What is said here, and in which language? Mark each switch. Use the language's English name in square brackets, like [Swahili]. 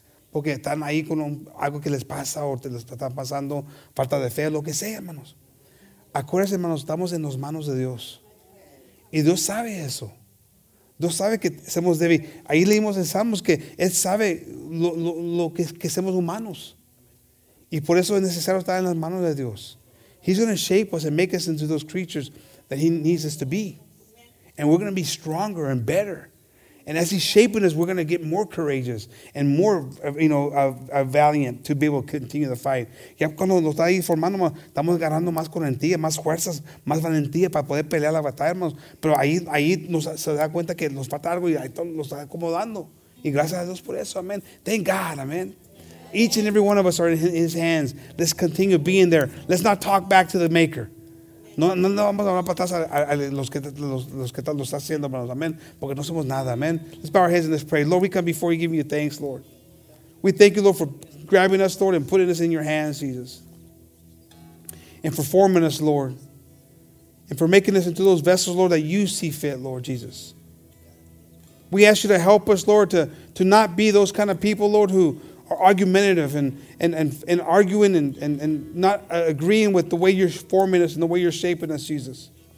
[Spanish] Porque están ahí con algo que les pasa o te les está pasando, falta de fe, lo que sea, hermanos. Acuérdense, hermanos, estamos en las manos de Dios. Y Dios sabe eso. Dios sabe que somos débiles. Ahí leímos en Salmos que Él sabe lo que somos humanos. Y por eso es necesario estar en las manos de Dios. [English] He's going to shape us and make us into those creatures that he needs us to be. And we're going to be stronger and better. And as he's shaping us, we're going to get more courageous and more, you know, valiant to be able to continue the fight. [Spanish] Ya cuando nos está ahí formando, estamos ganando más corrientía, más fuerzas, más valentía para poder pelear la batalla, hermanos. Pero ahí se da cuenta que nos falta algo y ahí nos está acomodando. Y gracias a Dios por eso, amen. [English] Thank God, amen. Each and every one of us are in his hands. Let's continue being there. Let's not talk back to the maker. [Spanish] No vamos a dar patas a los que están los haciendo, hermanos. [English] Amen. [Spanish] Porque no somos nada. [English] Amen. Let's bow our heads and let's pray. Lord, we come before you giving you thanks, Lord. We thank you, Lord, for grabbing us, Lord, and putting us in your hands, Jesus. And for forming us, Lord. And for making us into those vessels, Lord, that you see fit, Lord Jesus. We ask you to help us, Lord, to not be those kind of people, Lord, who are argumentative and arguing and not agreeing with the way you're forming us and the way you're shaping us, Jesus.